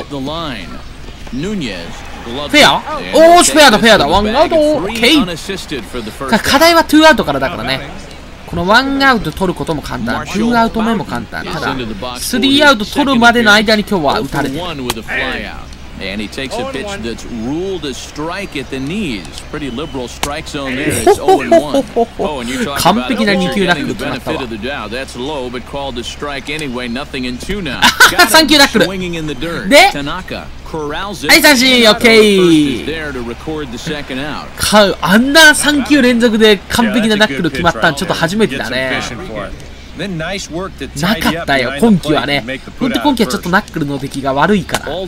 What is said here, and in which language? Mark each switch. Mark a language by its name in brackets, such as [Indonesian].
[Japanese] フェア？おーし、フェアだ、フェアだ。ワンアウト。OK。課題は2アウトからだからね。このワンアウト取ることも簡単、ツーアウト目も簡単。ただ、スリーアウト取るまでの間に今日は打たれてる。 [English] And he takes a pitch that's ruled a strike at the knees. Pretty liberal strike zone there. It's 0-1. Oh, and you're talking about getting the benefit of the doubt. That's low, but called a strike anyway. Nothing in two now. Thank you, Nakuru. Swinging in the dirt. De? Tanaka corrals it. Aisashi, okay. There to record the second out. [Japanese] Kau, あんな三球連続で完璧なナックル決まったん、ちょっと初めてだね。なかったよ、今季はね。ほんと今季はちょっとナックルの出来が悪いから。